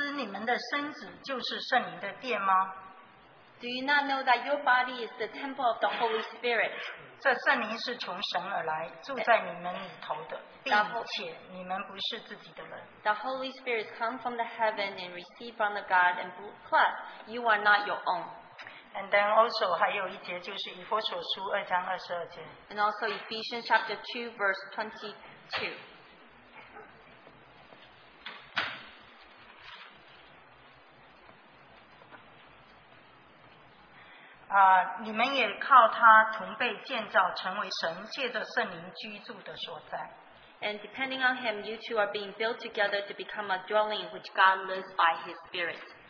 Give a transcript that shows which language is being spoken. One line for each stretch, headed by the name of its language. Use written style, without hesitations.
Chinese: 岂不知你们的身子就是圣灵的殿吗？
English: Do you not know that your body is the temple of the Holy Spirit?
Chinese: 这圣灵是从神而来，住在你们里头的，并且你们不是自己的人。
English: The Holy Spirit comes from the heaven and received from the God, and plus you are not your own. And then also
Chinese: 还有一节就是以弗所书2章22节。
English: And also Ephesians chapter 2 verse 22.
Chinese: 你们也靠他同被建造成为神借着圣灵居住的所在。
English: And depending on him, you two are being built together to become a dwelling which God lives by his spirit.